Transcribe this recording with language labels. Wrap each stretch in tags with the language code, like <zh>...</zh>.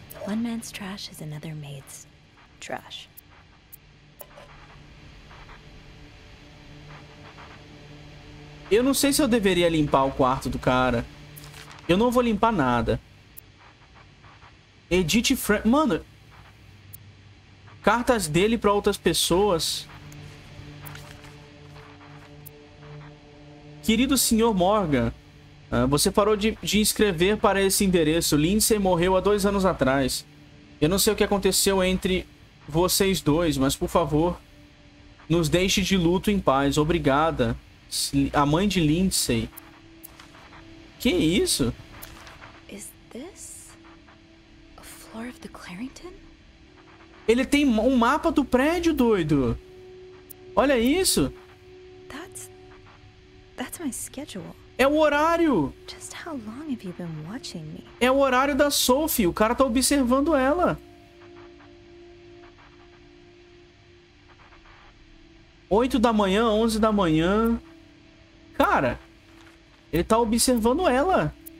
<en>One man's trash is another maid's trash.</en> <pt>Eu não sei se eu deveria limpar o quarto do cara. Eu não vou limpar nada. Edith Franklin. Mano. Cartas dele pra outras pessoas. Querido senhor Morgan, você parou de escrever para esse endereço. Lindsay morreu há 2 anos atrás. Eu não sei o que aconteceu entre vocês dois, mas por favor, nos deixe de luto em paz. Obrigada, a mãe de Lindsay. Que é isso?</pt> <en>Is this a floor of the Clarington?</en> <pt>Ele tem um mapa do prédio, doido. Olha isso.</pt> <en>That's my schedule.</en> <pt>É o horário.</pt> <en>Just how long have you been watching me?</en> <pt>É o horário da Sophie. O cara tá observando ela. Oito da manhã, 11 da manhã. Cara, ele tá observando ela.</pt>